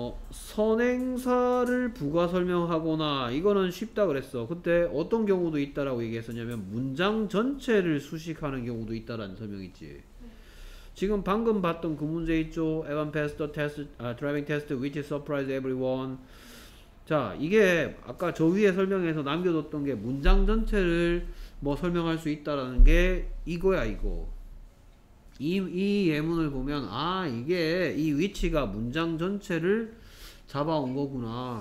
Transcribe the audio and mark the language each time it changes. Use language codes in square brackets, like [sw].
[ko] 선행사를 부가 설명하거나 이거는 쉽다 그랬어. 그때 어떤 경우도 있다라고 얘기했었냐면 문장 전체를 수식하는 경우도 있다라는 설명이지. 지금 방금 봤던 그 문제 있죠. [en] Evan passed the test, driving test which surprised everyone. [ko] 자, 이게 아까 저 위에 설명해서 남겨뒀던 게 문장 전체를 뭐 설명할 수 있다라는 게 이거야, 이거. 이 예문을 보면 아, 이게 이 위치가 문장 전체를 잡아온 거구나.